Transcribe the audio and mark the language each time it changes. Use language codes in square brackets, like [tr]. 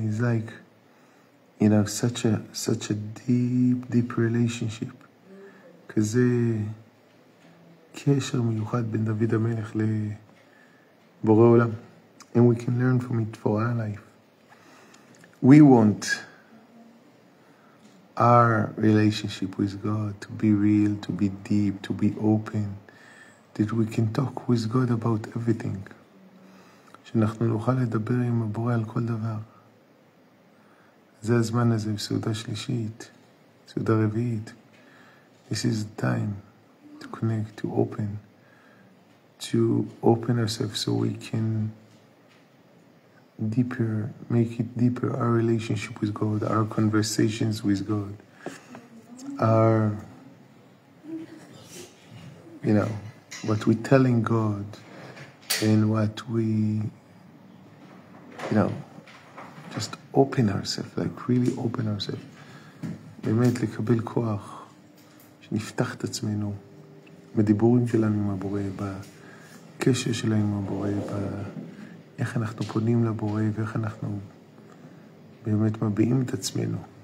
[en] He's like, you know, such a deep relationship. [he] כזה קשר מיוחד בין דוד המלך לבורא עולם. [en] And we can learn from it for our life. We want our relationship with God to be real, to be deep, to be open, that we can talk with God about everything. [he] שאנחנו נוכל לדבר עם הבורא על כל דבר. זה הזמן הזה, בסעודה שלישית, בסעודה רביעית. [en] This is the time to connect, to open ourselves so we can deeper, make it deeper, our relationship with God, our conversations with God, our, you know, what we're telling God and what we, you know, just open ourselves, like really open ourselves. [he] באמת לקבל כוח, שנפתח את עצמנו, בדיבורים שלנו עם הבורא, בקשר שלנו עם הבורא, איך אנחנו פונים לבורא, ואיך אנחנו באמת מביעים את עצמנו.